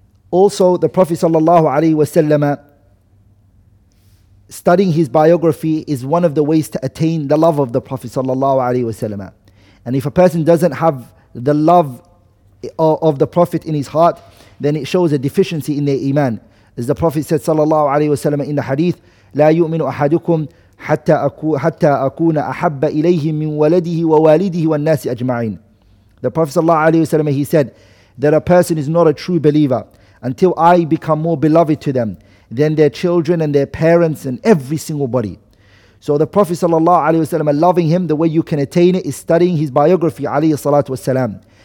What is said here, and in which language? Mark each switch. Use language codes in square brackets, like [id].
[en] Also, the Prophet sallallahu alayhi wa sallam, studying his biography is one of the ways to attain the love of the Prophet sallallahu alayhi wa sallam. And if a person doesn't have the love of the Prophet in his heart, then it shows a deficiency in their iman. As the Prophet said sallallahu alayhi wa sallam in the hadith, [ar] لا يؤمن أحدكم حتى أكون أحب إليه من ولده ووالده والناس أجمعين. [en] The Prophet sallallahu alayhi wa sallam, he said that a person is not a true believer until I become more beloved to them than their children and their parents and every single body. So the Prophet sallallahu alayhi wa sallam, loving him, the way you can attain it is studying his biography alayhi salatu wa sallam.